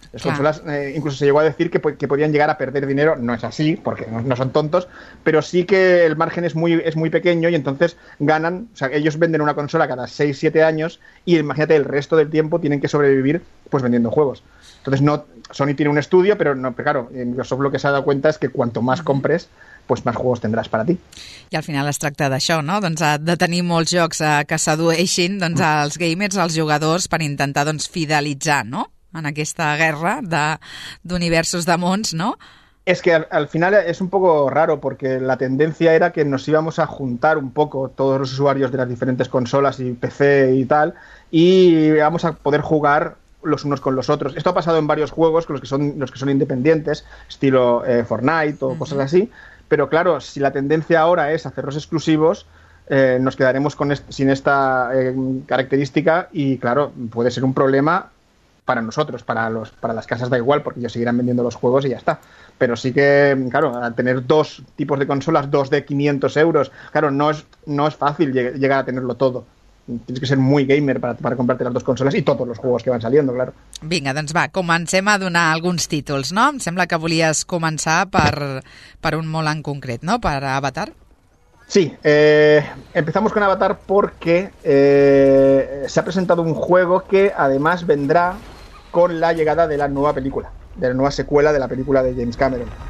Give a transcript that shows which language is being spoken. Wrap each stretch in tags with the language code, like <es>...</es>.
<es>Consolas incluso se llegó a decir que podían llegar a perder dinero, no es así, porque no son tontos, pero sí que el margen es muy pequeño y entonces ganan, o sea, ellos venden una consola cada 6-7 años y imagínate el resto del tiempo tienen que sobrevivir pues vendiendo juegos. Entonces no, Sony tiene un estudio, pero no, pero claro, Microsoft lo que se ha dado cuenta es que cuanto más compres, pues más juegos tendràs per a ti.</es> <ca>I al final es tracta d'això, no? Doncs de tenir molts jocs que sedueixin doncs, als gamers, als jugadors, per intentar doncs, fidelitzar, no? En aquesta guerra d'universos de mons, no?</ca> <es>Es que al final es un poco raro porque la tendencia era que nos íbamos a juntar un poco todos los usuarios de las diferentes consolas y PC y tal y íbamos a poder jugar los unos con los otros. Esto ha pasado en varios juegos, con los que son independientes, estilo Fortnite o cosas así. Pero claro, si la tendencia ahora es hacerlos exclusivos, nos quedaremos sin esta característica y claro, puede ser un problema para nosotros, para las casas da igual, porque ellos seguirán vendiendo los juegos y ya está. Pero sí que, claro, al tener dos tipos de consolas, dos de 500 euros, claro, no es fácil llegar a tenerlo todo. Tienes que ser muy gamer para comprarte las dos consolas y todos los juegos que van saliendo, claro.</es> <ca>Vinga, doncs va, comencem a donar alguns títols, no? Em sembla que volies començar per un molt en concret, no? Per Avatar.</ca> <es>Sí, empezamos con Avatar porque se ha presentado un juego que además vendrá con la llegada de la nueva película, de la nueva secuela de la película de James Cameron.</es>